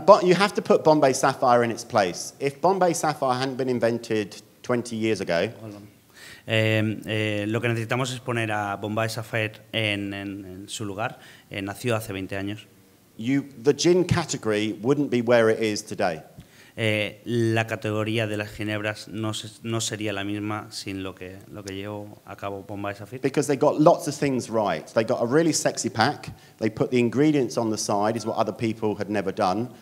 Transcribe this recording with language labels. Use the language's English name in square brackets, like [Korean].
[English] But you have to put Bombay Sapphire in its place. If Bombay Sapphire hadn't been invented 20 years ago, [Spanish] lo que necesitamos es poner a Bombay Sapphire en su lugar. Nació hace 20 años. [English] The gin category wouldn't be where it is today. [Spanish] La categoría de las ginebras no sería la misma sin lo que llevó a cabo Bombay Sapphire. [English] Because they got lots of things right. They got a really sexy pack. They put the ingredients on the side, is what other people had never done.